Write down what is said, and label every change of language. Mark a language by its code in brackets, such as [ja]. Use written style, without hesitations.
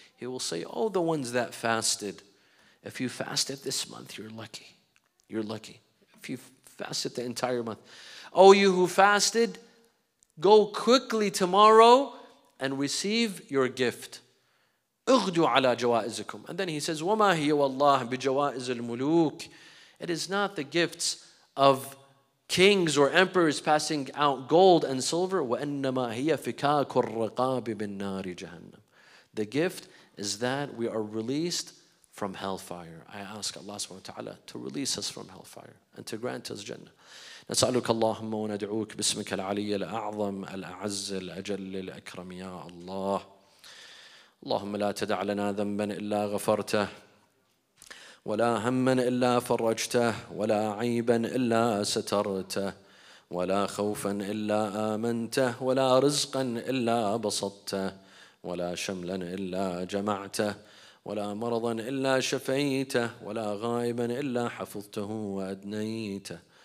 [en] He will say, oh, the ones that fasted, if you fasted this month, you're lucky. You're lucky. If you fasted the entire month. Oh, you who fasted, go quickly tomorrow and receive your gift. [ar] اغدوا على جوائزكم. [en] And then he says, [ar] وما هي والله بجوائز الملوك. [en] It is not the gifts of kings or emperors passing out gold and silver. [ar] وإنما هي فكاك الرقاب بالنار جهنم. [en] The gift is that we are released from hellfire. I ask Allah subhanahu wa ta'ala to release us from hellfire and to grant us Jannah. [ar] نسألك اللهم وندعوك باسمك العلي الأعظم الأعز الأجل الأكرم يا الله. اللهم لا تدع لنا ذنبا إلا غفرته ولا همّا إلا فرجته ولا عيبا إلا سترته ولا خوفا إلا آمنته ولا رزقا إلا بسطته ولا شملا إلا جمعته ولا مرضا إلا شفيته ولا غائبا إلا حفظته وأدنيته